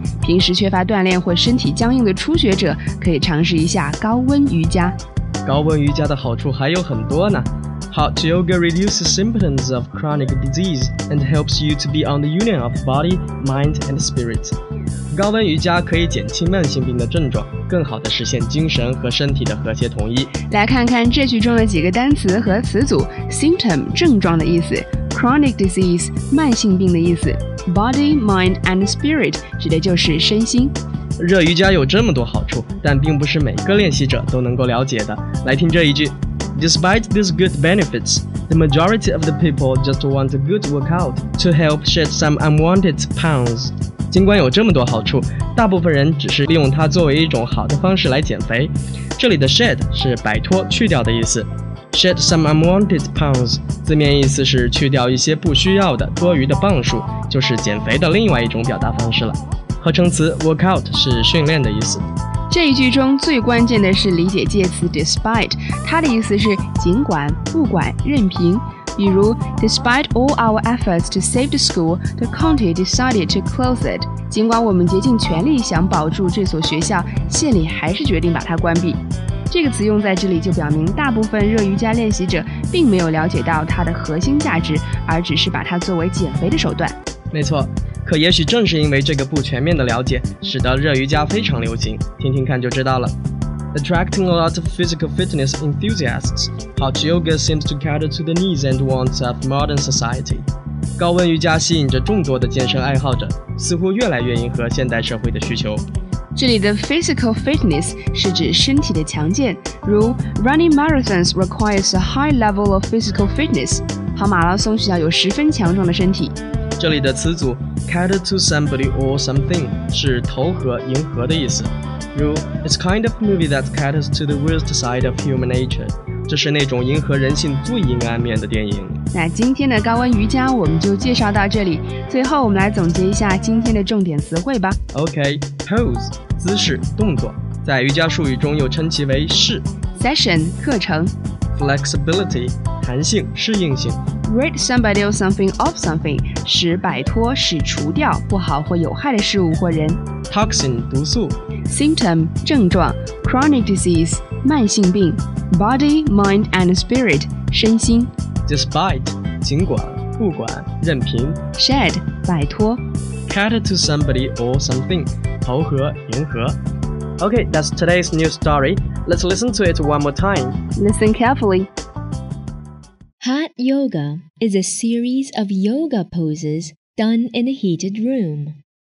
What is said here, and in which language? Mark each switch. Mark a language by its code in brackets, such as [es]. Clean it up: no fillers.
[zh] 平时缺乏锻炼或身体僵硬的初学者可以尝试一下高温瑜伽。高温瑜伽的好处还有很多呢。 [en] Hot yoga reduces symptoms of chronic disease and helps you to be on the union of body, mind and spirit. [zh] 高温瑜伽可以减轻慢性病的症状，更好地实现精神和身体的和谐统一。来看看这句中的几个单词和词组。Symptom 症状的意思， Chronic disease 慢性病的意思， Body, mind and spirit 指的就是身心。热瑜伽有这么多好处，但并不是每个练习者都能够了解的。来听这一句。 [en] Despite these good benefits, the majority of the people just want a good workout to help shed some unwanted pounds. [zh] 尽管有这么多好处，大部分人只是利用它作为一种好的方式来减肥。这里的 shed 是摆脱、去掉的意思。 [en] Shed some unwanted pounds [zh] 字面意思是去掉一些不需要的、多余的磅数，就是减肥的另外一种表达方式了。合成词 workout 是训练的意思。这一句中最关键的是理解介词 despite， 它的意思是尽管、不管、任凭。比如 [en] Despite all our efforts to save the school, the county decided to close it. [zh] 尽管我们竭尽全力想保住这所学校，县里还是决定把它关闭。这个词用在这里就表明大部分热瑜伽练习者并没有了解到它的核心价值，而只是把它作为减肥的手段。没错，可也许正是因为这个不全面的了解，使得热瑜伽非常流行，听听看就知道了。 [en] Attracting a lot of physical fitness enthusiasts, hot yoga seems to cater to the needs and wants of modern society. [zh] 高温瑜伽吸引着众多的健身爱好者，似乎越来越迎合现代社会的需求。这里的 [en] physical fitness [zh] 是指身体的强健，如 [en] running marathons requires a high level of physical fitness. [zh] 跑马拉松需要有十分强壮的身体。这里的词组 [en] cater to somebody or something [zh] 是投合、迎合的意思。 [en] 如 It's kind of movie that caters to the worst side of human nature. [zh] 这是那种迎合人性最阴暗面的电影。那今天的高温瑜伽我们就介绍到这里，最后我们来总结一下今天的重点词汇吧。 OK, pose, 姿势、动作，在瑜伽术语中又称其为式。 Session, 课程。 Flexibility, 弹性、适应性。 [en] Rid somebody or something of something, [zh] 使摆脱、使除掉不好或有害的事物或人。 Toxin, 毒素。 Symptom, 症状 Chronic disease, 慢性病 Body, mind and spirit, 身心 Despite, 尽管不管任凭 Shed, 摆脱 [en] Cater to somebody or something, [zh] 投合迎合 [en] OK, that's today's news story. Let's listen to it one more time. Listen carefully. Hot yoga is a series of yoga poses done in a heated room.